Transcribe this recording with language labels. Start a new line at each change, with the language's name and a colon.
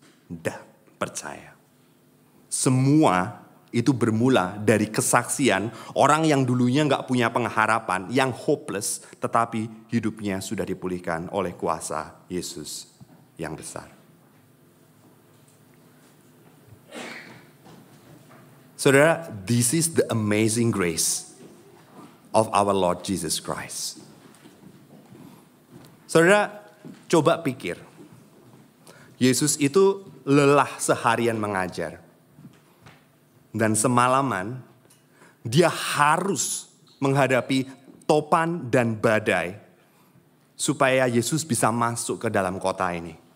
Indonesian: Dan percaya. Semua itu bermula dari kesaksian orang yang dulunya gak punya pengharapan, yang hopeless, tetapi hidupnya sudah dipulihkan oleh kuasa Yesus yang besar.
English: Saudara, this is the amazing grace of our Lord Jesus Christ.
Indonesian: Saudara, coba pikir. Yesus itu lelah seharian mengajar. Dan semalaman, dia harus menghadapi topan dan badai supaya Yesus bisa masuk ke dalam kota ini.